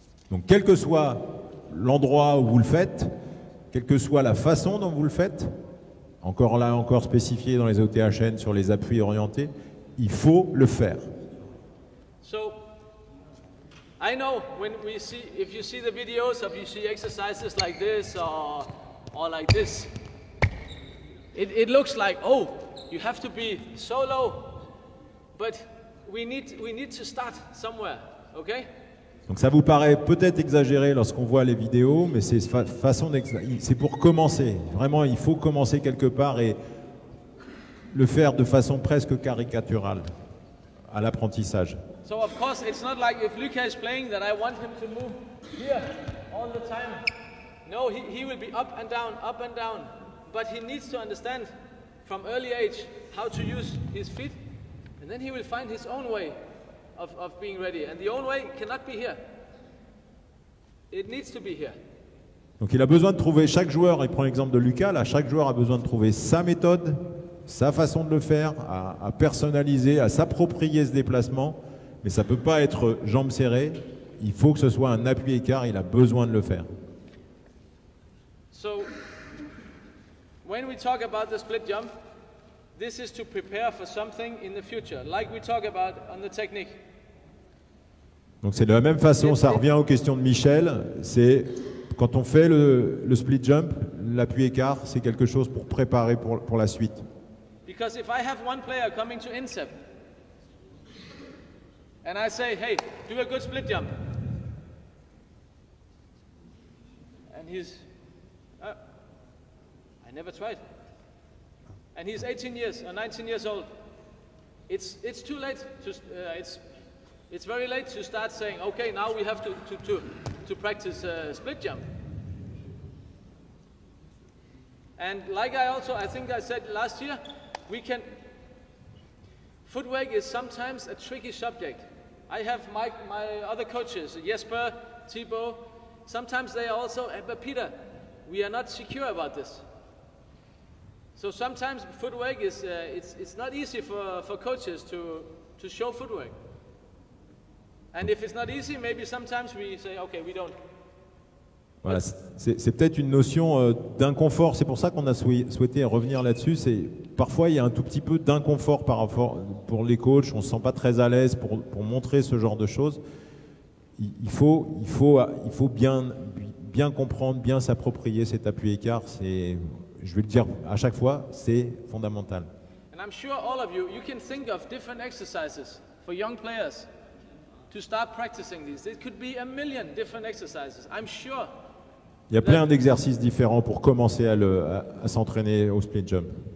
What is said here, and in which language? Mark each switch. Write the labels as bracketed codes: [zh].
[fr] Donc quel que soit l'endroit où vous le faites, quelle que soit la façon dont vous le faites. Encore là, encore spécifié dans les OTHN sur les appuis orientés, il faut le faire. [en] So, I know when we see, if you see the videos, if you see exercises like this or like this, it looks like oh, you have to be so low, but we need to start somewhere, okay? [fr] Donc ça vous paraît peut-être exagéré lorsqu'on voit les vidéos, mais c'est c'est pour commencer. Vraiment, il faut commencer quelque part et le faire de façon presque caricaturale à l'apprentissage. [en] So of course, it's not like if Lucas is playing that I want him to move here all the time. No, he will be up and down. But he needs to understand from early age how to use his feet, and then he will find his own way. Of being ready, and the only way cannot be here. It needs to be here. [fr] Donc il a besoin de trouver chaque joueur. Il prend l'exemple de Lucas. Là, chaque joueur a besoin de trouver sa méthode, sa façon de le faire, à personnaliser, à s'approprier ce déplacement. Mais ça peut pas être jambes serrées. Il faut que ce soit un appui écart. Il a besoin de le faire. [en] So when we talk about the split jump. This is to prepare for something in the future, like we talk about on the technique. [fr] Donc c'est de la même façon, ça revient aux questions de Michel, c'est quand on fait le split jump, l'appui écart, c'est quelque chose pour préparer pour la suite. [en] Because if I have one player coming to intercept, and I say, hey, do a good split jump. And he's, I never tried. And he's 18 years or 19 years old. It's too late to, it's very late to start saying, okay, now we have to practice split jump. And like I also, I think I said last year, we can, footwork is sometimes a tricky subject. I have my other coaches, Jesper, Thibaut, sometimes they are also, but Peter, we are not secure about this. So sometimes footwork is, it's not easy for coaches to show footwork. And if it's not easy, maybe sometimes we say, okay, we don't. [fr] Voilà, c'est peut-être une notion d'inconfort, c'est pour ça qu'on a souhaité revenir là-dessus. C'est, parfois il y a un tout petit peu d'inconfort par rapport, pour les coachs, on ne se sent pas très à l'aise pour montrer ce genre de choses. Il faut bien comprendre, bien s'approprier cet appui-écart, c'est, je vais le dire à chaque fois, c'est fondamental. Et je suis sûr que tous vous, vous pouvez penser à différents exercices pour les jeunes joueurs. [en] To start practicing these, it could be a million different exercises. I'm sure. [fr] Il y a plein d'exercices différents pour commencer à s'entraîner au split jump.